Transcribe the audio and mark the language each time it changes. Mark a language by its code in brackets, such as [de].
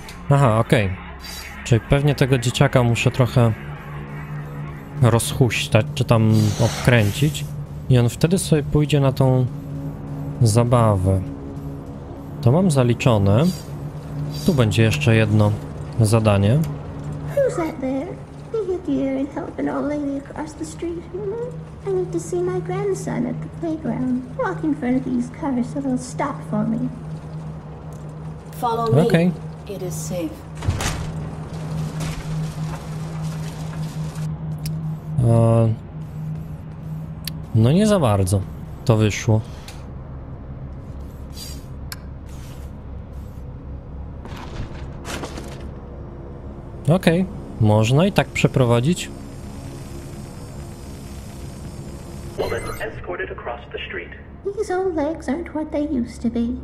[pl] Aha, okej. Czyli pewnie tego dzieciaka muszę trochę rozhuśtać, czy tam obkręcić. I on wtedy sobie pójdzie na tą zabawę. To mam zaliczone. Tu będzie jeszcze jedno zadanie. [en] Who's that there? You hit the ear and help an old lady across the street, human? I need to see my grandson at the playground. Walk in front of these cars so they'll stop for me. Follow me. Okay. It is safe. [pl] No nie za bardzo to wyszło. Okej, okay. Można i tak przeprowadzić. [en] Woman escorted across the street. These old legs aren't what they used to be.